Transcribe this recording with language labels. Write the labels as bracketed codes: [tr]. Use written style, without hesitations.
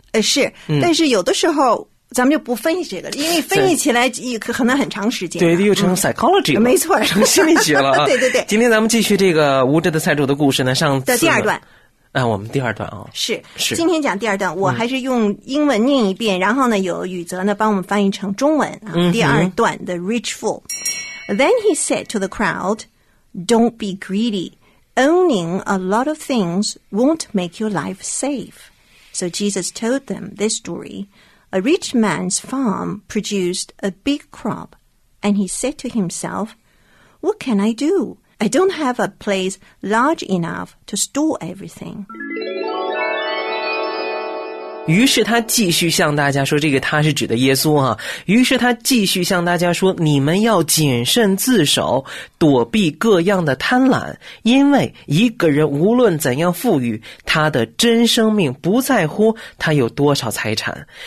[zh] 是、嗯，但是有的时候咱们就不分析这个，因为分析起来也可能很长时间。对，又成 psychology 了，没错，成心理学了。对对对，今天咱们继续这个无知的财主的故事呢，上次的第二段。哎，我们第二段啊、哦，是今天讲第二段，我还是用英文念一遍，嗯、然后呢，有宇泽呢帮我们翻译成中文啊。嗯、第二段 ，The Rich Fool。 [en] Then he said to the crowd, "Don't be greedy. Owning a lot of things won't make your life safe." So Jesus told them this story: A rich man's farm produced a big crop, and he said to himself, "What can I do? I don't have a place large enough to store everything." [zh] 于是他继续向大家说，这个他是指的耶稣啊。于是他继续向大家说，你们要谨慎自守，躲避各样的贪婪，因为一个人无论怎样富裕，他的真生命不在乎他有多少财产。